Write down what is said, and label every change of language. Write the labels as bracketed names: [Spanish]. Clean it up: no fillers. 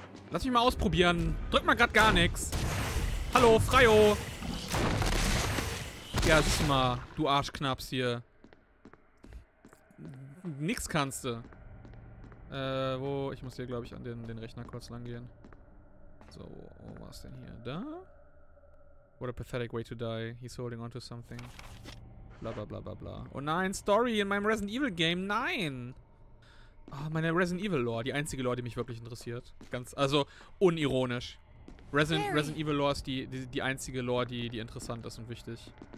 [German] Lass mich mal ausprobieren. Drück mal gerade gar nichts. Hallo, Freio! Ja, siehst du mal, du Arschknaps hier. Nix kannst du. Ich muss hier, glaube ich, an den Rechner kurz lang gehen. So, wo war's denn hier? Da? [English] What a pathetic way to die. He's holding on to something. [German] Bla bla bla bla bla. Oh nein, Story in meinem Resident Evil Game, nein! Oh, meine Resident Evil Lore, die einzige Lore, die mich wirklich interessiert. Ganz, also, unironisch. Resident Evil Lore ist die einzige Lore, die interessant ist und wichtig.